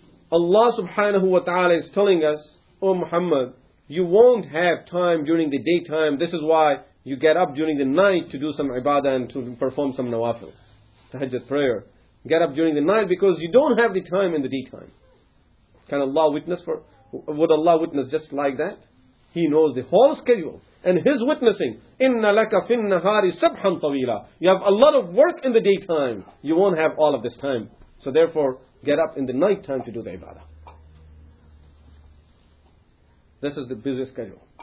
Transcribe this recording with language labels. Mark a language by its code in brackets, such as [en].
[en] Allah subhanahu wa ta'ala is telling us, O Muhammad, you won't have time during the daytime. This is why you get up during the night to do some ibadah and to perform some nawafil, tahajjud prayer. Get up during the night because you don't have the time in the daytime. Can Allah witness for? Would Allah witness just like that? He knows the whole schedule. And his witnessing, [ar] إِنَّ لَكَ فِي النَّهَارِ سَبْحًا طَوِيلًا. [en] You have a lot of work in the daytime. You won't have all of this time. So therefore, get up in the night time to do the ibadah. This is the busy schedule.